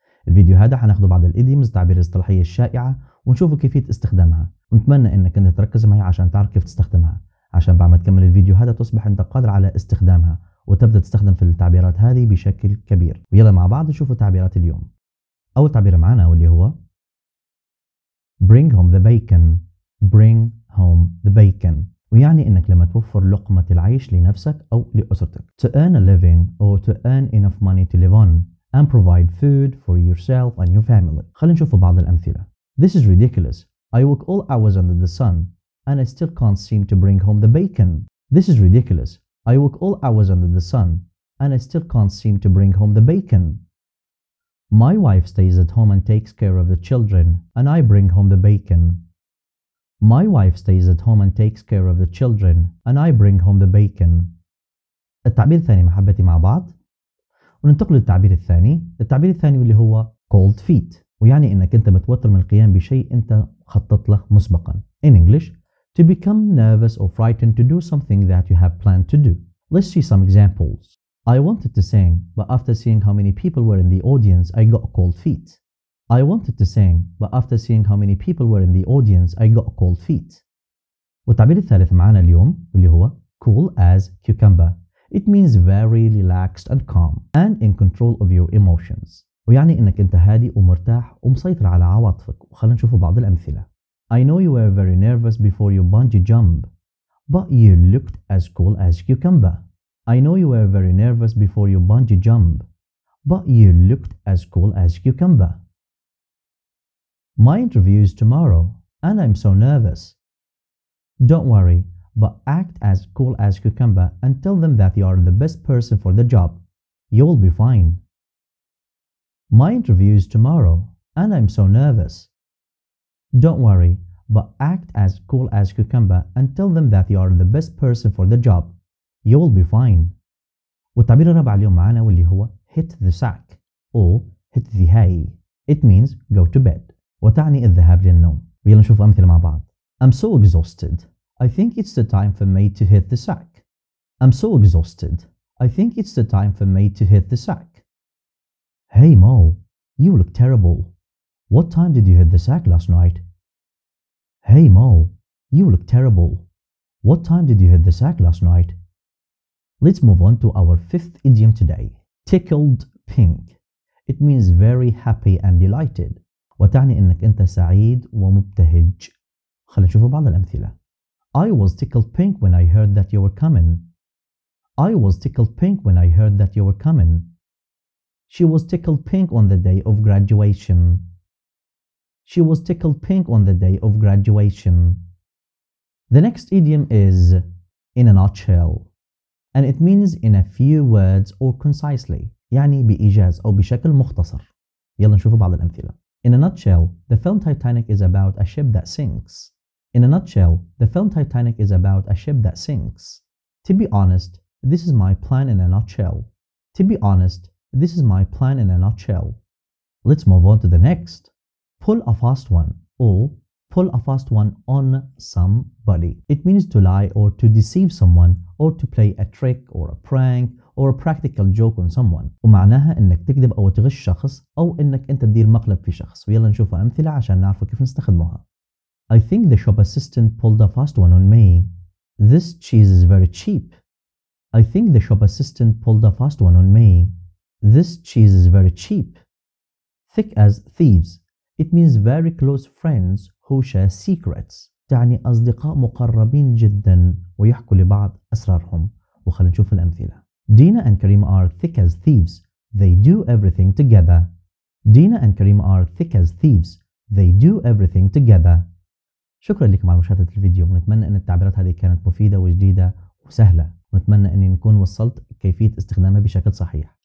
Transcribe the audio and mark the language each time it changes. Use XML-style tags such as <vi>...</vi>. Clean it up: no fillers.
<ar>الفيديو هذا حناخده بعض الإديمز، التعبير الاصطلاحية الشائعة، ونشوف كيفية استخدامها، ونتمنى انك انت تركز معي عشان تعرف كيف تستخدمها، عشان بعد ما تكمل الفيديو هذا تصبح انت قادر على استخدامها وتبدأ تستخدم في التعبيرات هذه بشكل كبير. ويلا مع بعض نشوف تعبيرات اليوم. اول تعبير معنا واللي هو</ar> <en>Bring home the bacon. Bring home the bacon،</en> <ar>ويعني انك لما توفر لقمة العيش لنفسك او لأسرتك.</ar> <en>To earn a living or to earn enough money to live on and provide food for yourself and your family.</en> <ar>خلينا نشوف بعض الأمثلة.</ar> <en>This is ridiculous. I work all hours under the sun and I still can't seem to bring home the bacon. This is ridiculous. I work all hours under the sun and I still can't seem to bring home the bacon. My wife stays at home and takes care of the children and I bring home the bacon. My wife stays at home and takes care of the children and I bring home the bacon.</en> <ar>التعبير الثاني مع حبتي مع بعض، وننتقل للتعبير الثاني. التعبير الثاني واللي هو</ar> <en>cold feet،</en> <ar>ويعني انك انت متوتر من القيام بشيء انت خطط له مسبقا.</ar> <en>In English, to become nervous or frightened to do something that you have planned to do. Let's see some examples. I wanted to sing, but after seeing how many people were in the audience, I got cold feet. I wanted to sing, but after seeing how many people were in the audience, I got cold feet.</en> <ar>والتعبير الثالث معنا اليوم اللي هو</ar> <en>cool as cucumber. It means very relaxed and calm and in control of your emotions.</en> <ar>ويعني انك انت هادي ومرتاح ومسيطر على عواطفك. وخلنا نشوف بعض الأمثلة.</ar> <en>I know you were very nervous before you bungee jump, but you looked as cool as cucumber. I know you were very nervous before you bungee jump, but you looked as cool as cucumber. My interview is tomorrow and I'm so nervous. Don't worry, but act as cool as cucumber and tell them that you are the best person for the job. You'll be fine. My interview is tomorrow and I'm so nervous. Don't worry, but act as cool as cucumber and tell them that you are the best person for the job. You'll be fine.</en> <ar>والتعبير الرابع اليوم معنا واللي هو</ar> <en>hit the sack or hit the hay. It means go to bed.</en> <ar>وتعني الذهاب للنوم. ويلا نشوف أمثلة مع بعض.</ar> <en>I'm so exhausted. I think it's the time for me to hit the sack. I'm so exhausted. I think it's the time for me to hit the sack. Hey Mo, you look terrible. What time did you hit the sack last night? Hey Mo, you look terrible. What time did you hit the sack last night? Let's move on to our fifth idiom today. Tickled pink. It means very happy and delighted.</en> <ar>وتعني انك انت سعيد ومبتهج. خلينا نشوف بعض الأمثلة.</ar> <en>I was tickled pink when I heard that you were coming. I was tickled pink when I heard that you were coming. She was tickled pink on the day of graduation. She was tickled pink on the day of graduation. The next idiom is in a nutshell. And it means in a few words or concisely.</en> <ar>يعني بإيجاز أو بشكل مختصر. يلا نشوف بعض الأمثلة.</ar> <en>In a nutshell, the film Titanic is about a ship that sinks. In a nutshell, the film Titanic is about a ship that sinks. To be honest, this is my plan in a nutshell. To be honest, this is my plan in a nutshell. Let's move on to the next. Pull a fast one or pull a fast one on somebody. It means to lie or to deceive someone or to play a trick or a prank or a practical joke on someone.</en> <ar>ومعناها انك تكذب او تغش شخص او انك انت تدير مقلب في شخص. ويلا نشوف امثلة عشان نعرف كيف نستخدمها.</ar> <en>I think the shop assistant pulled a fast one on me. This cheese is very cheap. I think the shop assistant pulled a fast one on me. This cheese is very cheap. Thick as thieves. It means very close friends who share secrets.</en> <ar>تعني اصدقاء مقربين جدا ويحكوا لبعض اسرارهم. وخلنا نشوف الامثلة.</ar> <en>Dina and Karim are thick as thieves. They do everything together. Dina and Karim are thick as thieves. They do everything together.</en> <ar>شكرا لكم على مشاهدة الفيديو، ونتمنى ان التعبيرات هذه كانت مفيدة وجديدة وسهلة، ونتمنى اني نكون وصلت كيفية استخدامها بشكل صحيح.</ar>